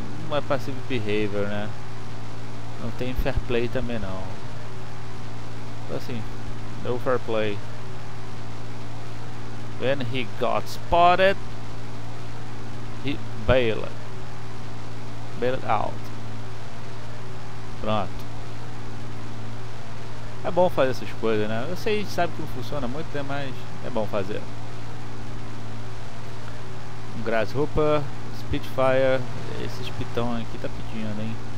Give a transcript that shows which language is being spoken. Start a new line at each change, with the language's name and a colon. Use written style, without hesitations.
Portuguese: Não é passive behavior, né? Não tem fair play também, não. Então, assim, no fair play.
English: When he got spotted, he bailed out.
Portuguese: Pronto. É bom fazer essas coisas, né? Eu sei, a gente sabe que não funciona muito, né? Mas é bom fazer. Um Grasshopper, Spitfire. Esses pitões aqui tá pedindo, hein?